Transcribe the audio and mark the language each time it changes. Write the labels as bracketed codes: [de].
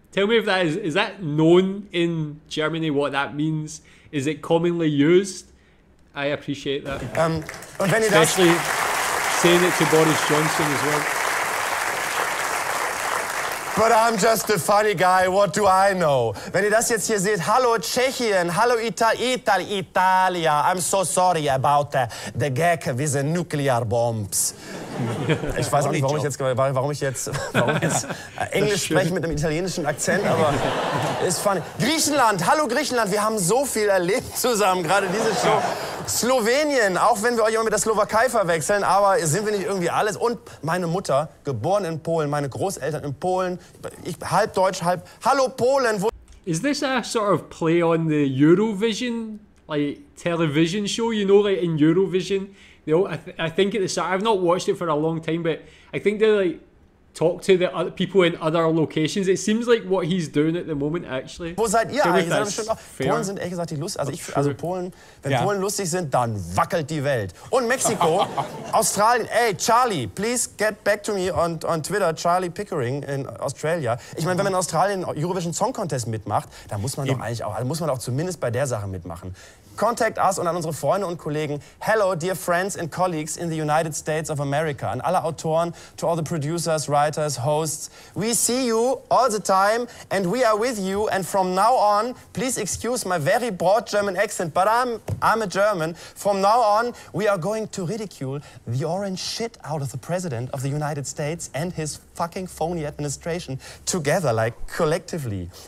[en] Tell me if that is that known in Germany, what that means? Is it commonly used? I appreciate that. Especially saying it to Boris Johnson as well. But I'm just a funny guy, what do I know? [de] Wenn ihr das jetzt hier seht, hallo Tschechien, hallo Italia. [en] I'm so sorry about the gag with the nuclear bombs. [de] Ich weiß auch nicht, warum ich jetzt Englisch spreche mit einem italienischen Akzent, aber ist funny. Griechenland, hallo Griechenland, wir haben so viel erlebt zusammen, gerade diese Show. Slowenien, auch wenn wir euch immer mit der Slowakei verwechseln, aber sind wir nicht irgendwie alles. Und meine Mutter, geboren in Polen, meine Großeltern in Polen, ich halb Deutsch, halb, hallo Polen. Wo [en] is this a sort of play on the Eurovision, like, television show, you know, like in Eurovision? I think at the start, I've not watched it for a long time, but I think they like talk to the other people in other locations. It seems like what he's doing at the moment, actually. [de] Wo seid ihr eigentlich? Sind schon, Polen sind ehrlich gesagt die lustig. Also, ich, also Polen, wenn Polen lustig sind, dann wackelt die Welt. Und Mexiko, Australien. [en] Hey, Charlie, please get back to me on Twitter, Charlie Pickering in Australia. [de] Ich meine, wenn man in Australien Eurovision Song Contest mitmacht, dann muss man doch eigentlich auch, also muss man auch zumindest bei der Sache mitmachen. [en] Contact us [de] und an unsere Freunde und Kollegen. [en] Hello, dear friends and colleagues in the United States of America. [de] An alle Autoren, [en] to all the producers, writers, hosts. We see you all the time and we are with you. And from now on, please excuse my very broad German accent, but I'm a German. From now on, we are going to ridicule the orange shit out of the President of the United States and his fucking phony administration together, like collectively.